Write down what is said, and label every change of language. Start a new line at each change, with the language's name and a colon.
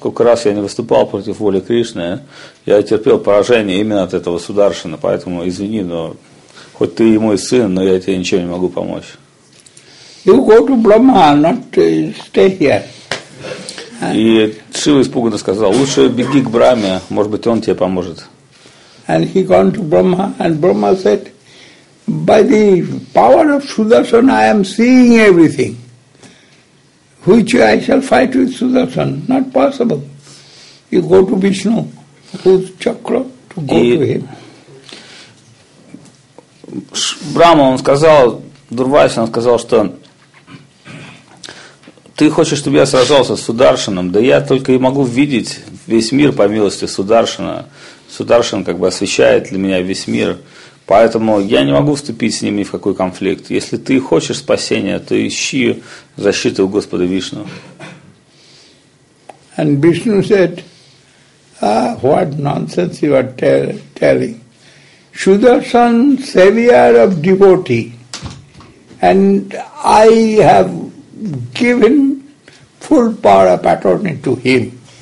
Russian: Сколько раз я не выступал против воли Кришны, я терпел поражение именно от этого Сударшана, поэтому извини, но хоть ты и мой сын, но я тебе ничем не могу помочь».
English: You go to Brahma, not stay here.
Russian: И Шива испуганно сказал: «Лучше беги к Брахме, может быть, он тебе поможет».
English: And he gone to Brahma, and Brahma said, «By the power of Sudarshana, I am seeing everything. Which I shall fight with Sudarshan? Not possible. You go to Vishnu, who's chakra, to go to him».
Russian: Брама, он сказал, Дурвайс, он сказал, что ты хочешь, чтобы я сражался с Сударшаном, да я только и могу видеть весь мир по милости Сударшана. Сударшан как бы освещает для меня весь мир, поэтому я не могу вступить с ним ни в какой конфликт. Если ты хочешь спасения, то ищи защиты у Господа Вишну.
English: And Vishnu said, what nonsense you are telling. Sudarshan, savior of devotee, and I have given full power of attorney to him.